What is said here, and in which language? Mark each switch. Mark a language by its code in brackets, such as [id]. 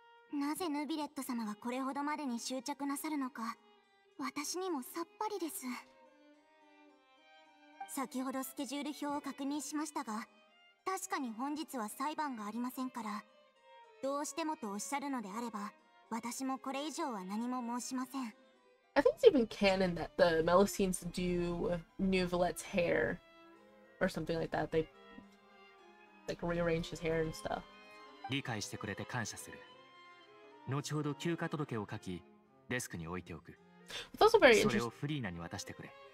[ja] なぜヌビレット様がこれほどまでに執着なさるのか、私にもさっぱりです。先ほどスケジュール表を確認しましたが、確かに本日は裁判がありませんから、どうしてもとおっしゃるのであれば、私もこれ以上は何も申しません。 [en] I think it's even canon that the Melusines do Nouvellet's hair or something like that. They like rearrange his hair and stuff. [ja] 理解してくれて感謝する。後ほど休暇届を書き、デスクに置いておく。それをフリーナに渡してくれ。